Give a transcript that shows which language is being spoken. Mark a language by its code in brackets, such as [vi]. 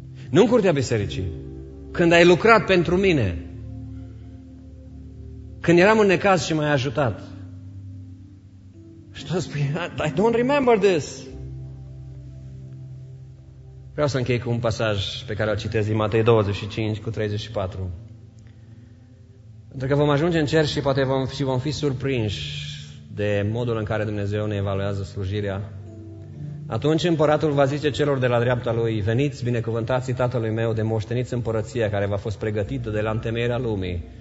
[ro] Nu în curtea bisericii, când ai lucrat pentru mine, când eram în necaz și m-ai ajutat. Și tu spui: [en] I don't remember this. [ro] Vreau să închei cu un pasaj pe care îl citesc din Matei 25:34. Pentru că vom ajunge în cer și poate vom fi surprinși de modul în care Dumnezeu ne evaluează slujirea. Atunci împăratul va zice celor de la dreapta lui: veniți, binecuvântații tatălui meu, de moșteniți împărăția care v-a fost pregătită de la întemeierea lumii.